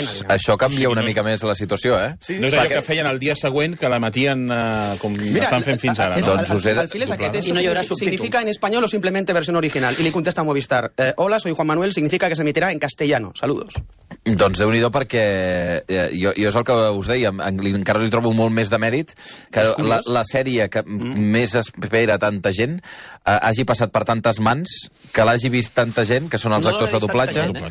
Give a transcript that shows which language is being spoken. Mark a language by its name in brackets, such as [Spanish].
[Catalan] Això canvia una mica més la situació, eh? Sí. No és allò que feien el dia següent, que l'emetien com estan fent fins ara. Doncs us he doblat. [Spanish] Significa en espanyol o simplemente versión original. [Catalan] I li contesta a Movistar: [Spanish] hola, soy Juan Manuel, significa que [Catalan] s'emitirà [Spanish] en castellano. Saludos. [Catalan] Doncs déu-n'hi-do, perquè jo és el que us deia, encara li trobo molt més de mèrit que la sèrie que més espera tanta gent hagi passat per tantes mans, que l'hagi vist tanta gent, que són els actors de doblatge.